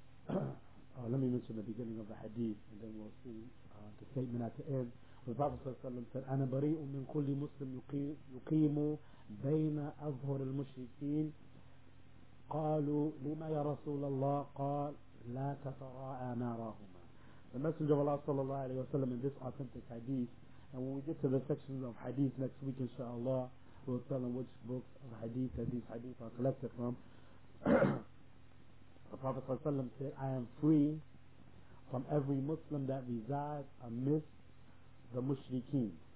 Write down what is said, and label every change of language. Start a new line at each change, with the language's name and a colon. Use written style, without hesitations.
English: Oh, let me mention the beginning of the hadith, and then we'll see the statement at the end. The Prophet sallallahu alayhi wa sallam said,
Arabic: أَنَا بَرِيءٌ مِّن كُلِّ مُسْلِمْ يُقِيمُ بَيْنَ أَظْهُرِ الْمُشْرِكِينَ. قالوا لما يا رسول الله قال لا تتراءى ناراهما.
English: The Messenger of Allah sallallahu alayhi wa sallam, in this authentic hadith, and when we get to the sections of hadith next week inshallah, we'll tell them which book of hadith that these hadith are collected from. The Prophet sallallahu alayhi wa sallam said, I am free from every Muslim that resides amidst the mushrikeen.